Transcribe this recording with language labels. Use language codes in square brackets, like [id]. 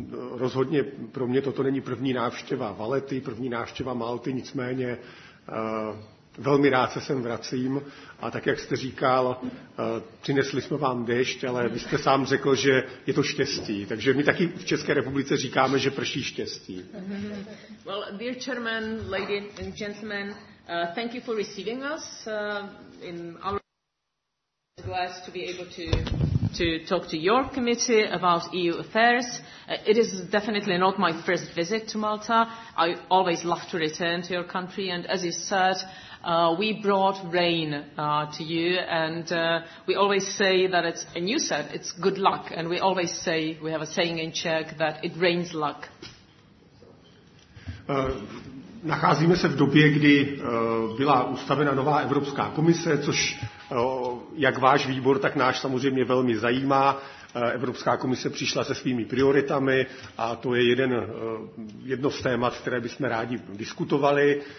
[cs] Rozhodně pro mě toto není první návštěva Valety, první návštěva Malty, nicméně velmi rád se sem vracím. A tak, jak jste říkal, přinesli jsme vám déšť, ale vy jste sám řekl, že je to štěstí. Takže my taky v České republice říkáme, že prší štěstí. [en] Well, dear chairman, ladies and gentlemen, thank you for receiving us in our glad to be able to talk to your committee about EU affairs. It is definitely not my first visit to Malta. I always love to return to your country, and as you said, we brought rain to you, and we always say that it's, and you said, it's good luck, and we always say, we have a saying in Czech, that it rains luck. [cs] Nacházíme se v době, kdy byla ustavena nová Evropská komise, což jak váš výbor, tak náš samozřejmě velmi zajímá. Evropská komise přišla se svými prioritami a to je jedno z témat, které bychom rádi diskutovali.